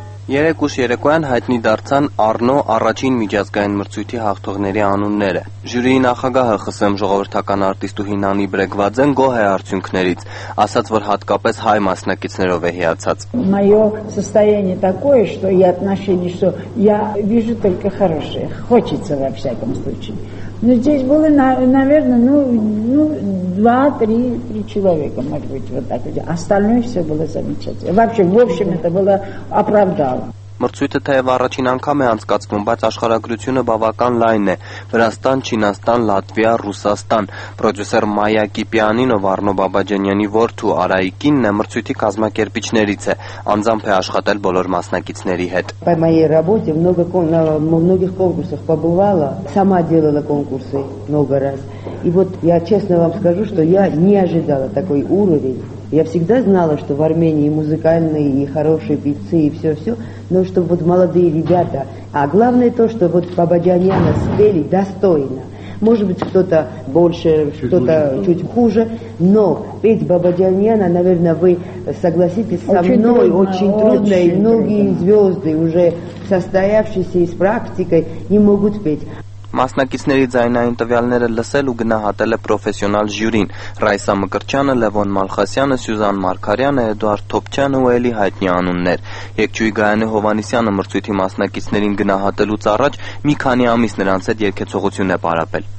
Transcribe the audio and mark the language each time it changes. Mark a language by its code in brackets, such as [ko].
[hy] Երեկոյան հայտնի դարձան Արնո առաջին միջազգային մրցույթի հաղթողների անունները։ Ժյուրիի նախագահը ԽՍՀՄ ժողովրդական արտիստու Հինանի Բրեգվաձեն գոհ է արդյունքներից, ասաց, որ հատկապես հայ մասնակիցներով է հիացած։ [ru] Моё состояние такое, что я отношения, что я вижу только хорошее. Хочется во всяком случае. Но здесь было, наверное, ну 2-3 человека, может быть, вот так. Остальное всё было замечательно. Вообще, в общем, это было оправдало. [hy] Մրցույթը թեև առաջին անգամ է անցկացվում, բայց աշխարհագրությունը բավական լայն է. Վրաստան, Չինաստան, Լատվիա, Ռուսաստան։ Պրոդյուսեր Մայա Կիպյանին ու Արնո Բաբաջանյանի որդու Արայիկին մրցույթի կազմակերպիչներից է, անձամբ է աշխատել բոլոր մասնակիցների հետ։ [ru] По моей работе много многих конкурсах побывала, сама делала конкурсы много раз. И вот я честно вам скажу, что я не ожидала такой уровень. Я всегда знала, что в Армении музыкальные и хорошие певцы и всё-всё, но что вот молодые ребята, а главное то, что вот Бабаджаняна спели достойно. Может быть, кто-то больше, кто-то чуть хуже, но петь Бабаджаняна, наверное, вы согласитесь со мной, очень трудно, и многие звёзды уже состоявшиеся и с практикой не могут петь. [hy] Մասնակիցների ձայնային տվյալները լսել ու գնահատել է պրոֆեսիոնալ ժյուրին՝ Ռայսա Մկրտչյանը, Լևոն Մալխասյանը, Սյուզան Մարկարյանը, Էդուարդ Թոփչյանը ու Էլի հայտնի անուններ։ Եկչուի Գայանե Հովանիսյանը մրցույթի մասնակիցներին գնահատելուց առաջ մի քանի ամիս նրանց հետ երկեցողություն է պարապել։